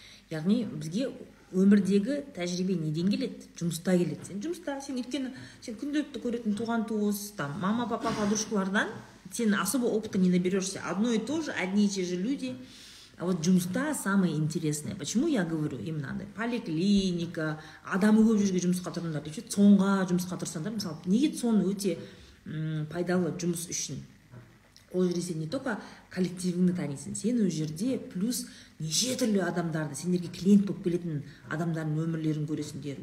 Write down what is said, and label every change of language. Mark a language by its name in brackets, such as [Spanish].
[Kazakh] Яғни, бізге өмірдегі тәжірибе неден келеді? Жұмыста келеді. Сен жұмыста, сен өткені, сен күнделікті көретін туған туыс, там, мама, папа, подружкалардан сен [Russian] особо опыта не наберешься. Одно и то же, одни и те же люди. А вот [Kazakh] жұмыста [Russian] самое интересное. Почему я говорю им надо? [Kazakh] Поликлиника, адамы көп жүрген жұмысқа тұрыңдар. Деп, цонға жұмысқа тұрсаңдар. Мысалы, неге цон өте пайдалы жұмыс үшін? Ол жерде сен [Russian] не только [Kazakh] коллективіңді танисың, сен өз жерде плюс неше түрлі адамдарды, сендерге клиент болып келетін адамдардың өмірлерін көресіңдер.